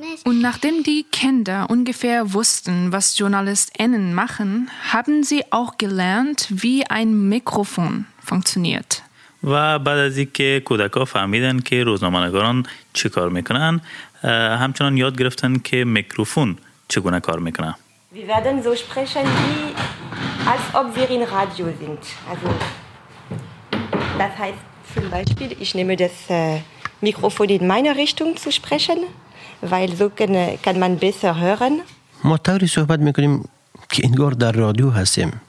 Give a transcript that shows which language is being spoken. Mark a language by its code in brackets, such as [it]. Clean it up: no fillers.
[de] Und nachdem die Kinder ungefähr wussten, was JournalistInnen machen, haben sie auch gelernt, wie ein Mikrofon funktioniert. [fa] و بعد از اینکه کودک‌ها فهمیدن که روزنامه‌نگاران چه کار می‌کنن، همچنان یاد گرفتن که میکروفون چگونه کار می‌کنه. [de] Wir werden so sprechen wie als ob wir in Radio sind. Also das heißt zum Beispiel, ich nehme das Mikrofon in meine Richtung zu sprechen, weil so kann man besser hören. [fa] Ma tauri sohbat mikunim ke ingar dar radio hastim.